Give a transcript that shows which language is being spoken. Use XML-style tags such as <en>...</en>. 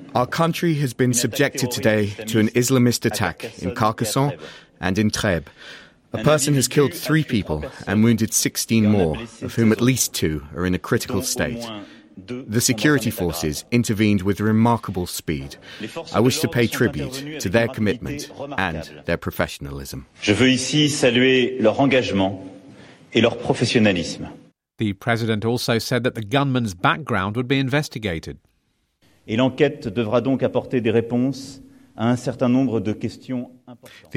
<en>Our country has been subjected today to an Islamist attack in Carcassonne and in Trèbes. A person has killed three people and wounded 16 more, of whom at least two are in a critical state. The security forces intervened with remarkable speed. I wish to pay tribute to their commitment and their professionalism.</en> <fr>Je veux ici saluer leur engagement et leur professionnalisme.</fr> <en>The president also said that the gunman's background would be investigated.</en> <fr>Et l'enquête devra donc apporter des réponses à un certain nombre de questions importantes.</fr>